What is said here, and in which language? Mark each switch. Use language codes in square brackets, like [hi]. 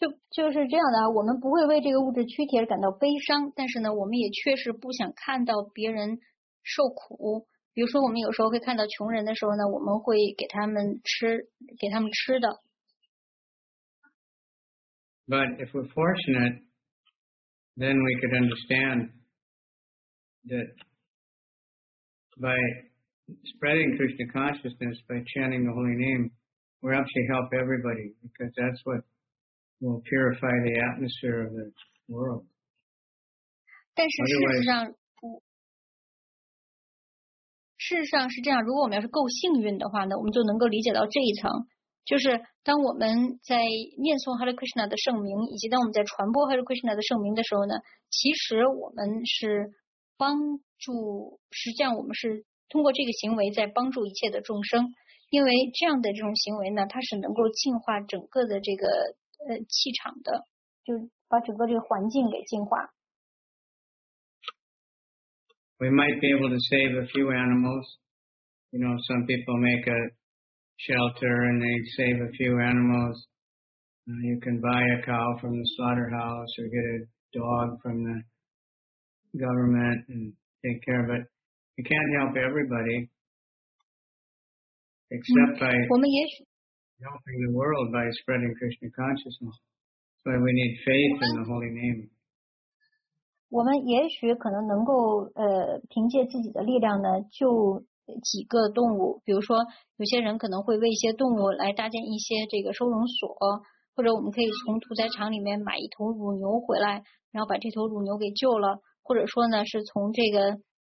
[zh] 就是这样的啊，我们不会为这个物质躯体而感到悲伤，但是呢，我们也确实不想看到别人受苦。比如说，我们有时候会看到穷人的时候呢，我们会给他们吃的。 [en] But if we're fortunate, then we could understand that by spreading Krishna consciousness, by chanting the holy name, we're actually help everybody because that's what will purify the atmosphere of the world. [zh] 但是事实上是这样，如果我们要是够幸运的话呢，我们就能够理解到这一层。就是当我们在念诵 Hare Krishna 的圣名，以及当我们在传播 Hare Krishna 的圣名的时候呢，其实我们是帮助，实际上我们是通过这个行为在帮助一切的众生，因为这样的这种行为呢，它是能够净化整个的这个气场的，就把整个这个环境给净化。 [en] We might be able to save a few animals. You know, some people make a shelter and they save a few animals You can buy a cow from the slaughterhouse or get a dog from the government and take care of it. You can't help everybody except by helping the world by spreading Krishna consciousness. That's why we need faith in the holy name. [zh] 我们也许可能能够凭借自己的力量呢救几个动物，比如说有些人可能会为一些动物来搭建一些这个收容所，或者我们可以从屠宰场里面买一头乳牛回来，然后把这头乳牛给救了，或者说呢是从这个